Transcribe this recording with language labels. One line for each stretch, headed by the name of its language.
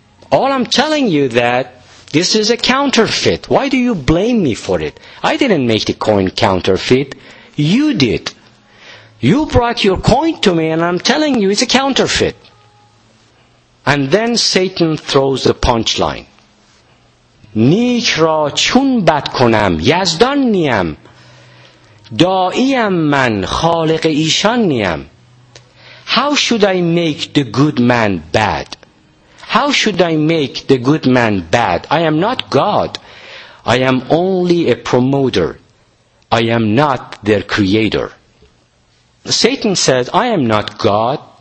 English: All I'm telling you that this is a counterfeit. Why do you blame me for it? I didn't make the coin counterfeit. You did. You brought your coin to me and I'm telling you it's a counterfeit. And then Satan throws the punchline.
Persian: نیک را چون بد کنم یزدان نیم دائیم من خالق ایشان نیم.
English: How should I make the good man bad? How should I make the good man bad? I am not God. I am only a promoter. I am not their creator. Satan said, I am not God.